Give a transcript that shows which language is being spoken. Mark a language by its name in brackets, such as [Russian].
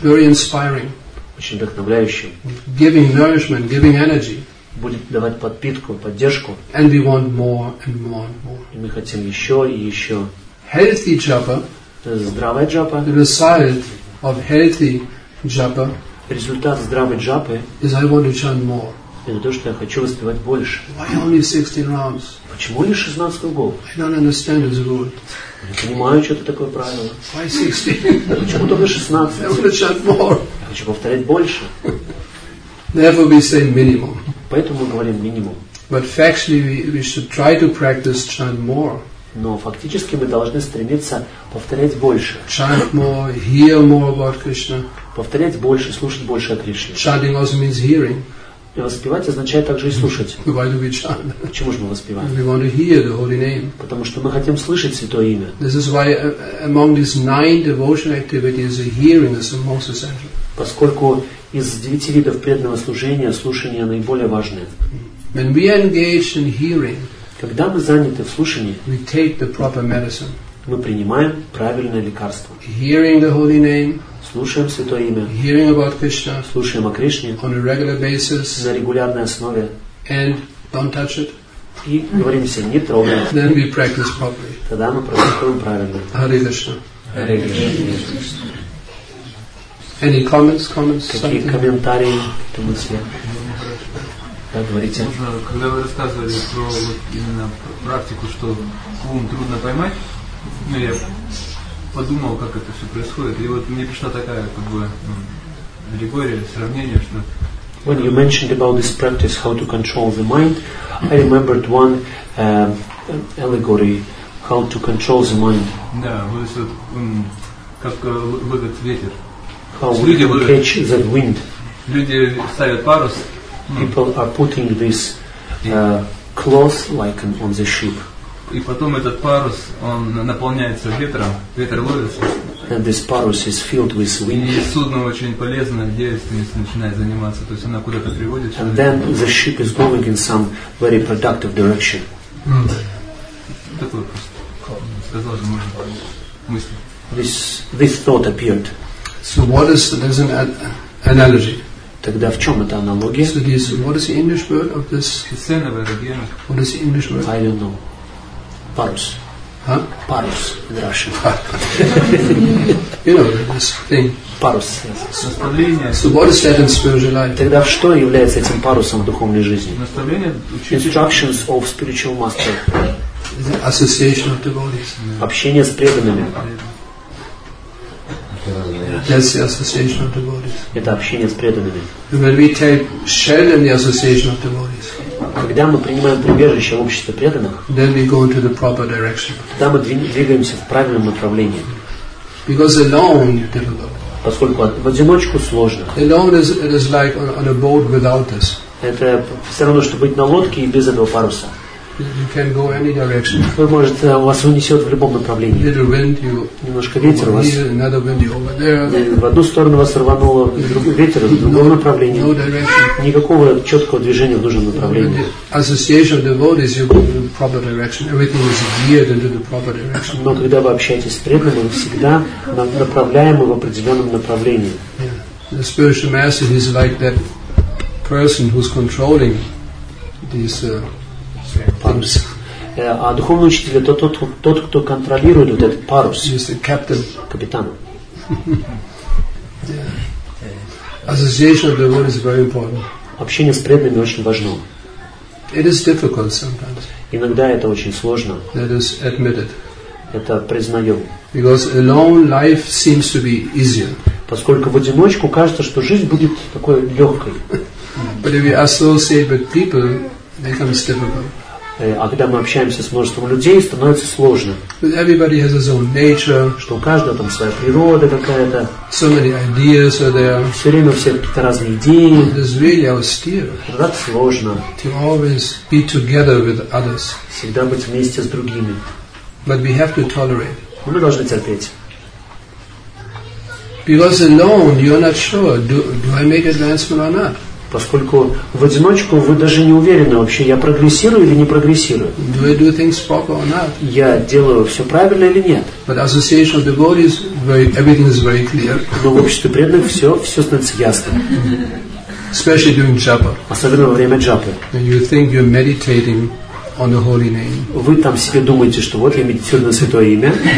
[English] Very inspiring. [Russian] Очень вдохновляющим. [English] Giving nourishment, giving energy. [Russian] Будет давать подпитку, поддержку. [English] And we want more and more and more. [Russian] И мы хотим еще и еще. [English] Healthy japa. [Russian] Здравая джапа. [English] The result of healthy japa. [Russian] Результат здравой джапы. [English] Is I want to chant more. [Russian] Это то, что я хочу воспевать больше. [English] Why only 16 rounds? [Russian] Почему лишь 16 кругов? [English] I don't understand this rule. [Russian] Я понимаю, что это такое правило. [English] Why 16? [Russian] Почему только 16? [English] I want to chant more. [Russian] Я хочу повторять больше. [English] Therefore we say minimum. [Russian] Поэтому мы говорим минимум. [English] But factually we should try to practice chant more. [Russian] Но фактически мы должны стремиться повторять больше. [English] Chant more, hear more about Krishna. [Russian] Повторять больше, слушать больше о Кришне. [English] Chanting also means hearing. [Russian] И воспевать означает также и слушать. [English] Why do we chant? [Russian] Почему же мы воспеваем? [English] We want to hear the holy name. [Russian] Потому что мы хотим слышать святое имя. [English] This is why among these 9 devotion activities, hearing is the most essential. [Russian] Поскольку из 9 видов преданного служения слушание наиболее важное. [English] When we engage in hearing, [Russian] когда мы заняты в слушании, [English] we take the proper medicine. [Russian] Мы принимаем правильное лекарство. [English] Hearing the holy name. [Russian] Слушаем святое имя. [English] Hearing about Krishna. [Russian] Слушаем о Кришне. [English] On a regular basis. [Russian] На регулярной основе. [English] And don't touch it. [Russian] И говорим себе, не трогай. [English] Then we practice properly. [Russian] Тогда мы практикуем правильно. [Sanskrit] Hare Krishna. Hare Krishna. [English] Any comments? [Russian] Какие something? Комментарии к этому себе? Да, говорите. Можно, когда вы рассказывали про вот именно практику, что ум трудно поймать, ну, я подумал, как это все происходит, и вот мне пришла такая как бы аллегория, сравнение, что. [English] When you mentioned about this practice, how to control the mind, I remembered one allegory, how to control the mind. [Russian] Да, вот это как ловят ветер. [English] How we can catch that wind. [Russian] Люди ставят парус. [English] People are putting this cloth like on the ship. [Russian] И потом этот парус, он наполняется ветром, ветер ловится. [English] And this parus is filled with wind. [Russian] И судно очень полезно, деятельность начинает заниматься, то есть она куда-то приводит. [English] And then the ship is going in some very productive direction. [Russian] Такой просто. Сказал же, можно понять. [English] this thought appeared. So what is there's an analogy? [Russian] Тогда в чем эта аналогия? [English] So this, what is the English word of this? What is the English word? I don't know. Парус. Huh? Парус in Russian. You know this thing. [Russian] Парус. [English] Yes. So what is that in spiritual life? [Russian] Тогда что является этим парусом в духовной жизни? Наставление. [English] Instructions of spiritual master. The association of devotees. [Russian] Yeah. Общение с преданными. [English] That's the association of devotees. [Russian] Это общение с преданными. [English] When we take shelter in the association of devotees. [Russian] Когда мы принимаем прибежище в обществе преданных. [English] Then we go into the proper direction. [Russian] Тогда мы двигаемся в правильном направлении. [English] Because alone difficult. [Russian] Поскольку в одиночку сложно. [English] Alone is it is like on a boat without us. [Russian] Это все равно что быть на лодке и без этого паруса. [English] You can go any direction. [Russian] Вы можете, вас унесет в любом направлении. [English] Little wind, you [Russian] немножко ветер вас. [English] Here, another wind, you over there. [Russian] В одну сторону вас рвануло, ветер в другом направлении. [English] No direction. [Russian] Никакого четкого движения в нужном направлении. [English] Association of devotees, you go in the proper direction. Everything is geared into the proper direction. [Russian] Но когда вы общаетесь с преданным, вы всегда направляемы в определенном направлении. [English] Yeah. The spiritual master is like that person who's controlling these. [Russian] Парус. А духовный учитель это тот, кто контролирует вот этот парус. Капитан. [English] Association of the world is very important. [Russian] Общение с преданными очень важно. [English] It is difficult sometimes. [Russian] Иногда это очень сложно. [English] That is admitted. [Russian] Это признаем. [English] Because alone life seems to be easier. [Russian] Поскольку в одиночку кажется, что жизнь будет такой легкой. [English] But if you associate with people, it becomes difficult. [Russian] А когда мы общаемся с множеством людей, становится сложно. [English] Everybody has his own nature. [Russian] Что у каждого там своя природа какая-то. [English] So many ideas are there. [Russian] Все время все какие-то разные идеи. [English] It is really austere. [Russian] Это сложно. [English] To always be together with others. [Russian] Всегда быть вместе с другими. [English] But we have to tolerate. [Russian] Мы должны терпеть. [English] Because alone, you're not sure. Do I make advancement or not? [Russian] Поскольку в одиночку вы даже не уверены вообще, я прогрессирую или не прогрессирую. [English] Do I do things proper or not? [Russian] Я делаю все правильно или нет. [English] But association of devotees, everything is very clear. [Russian] Но в обществе преданных все становится ясно. [English] Especially during japa. [Russian] Особенно во время джапы. [English] And you think you're meditating on the holy name. [Russian] Вы там себе думаете, что вот я медитирую на святое имя.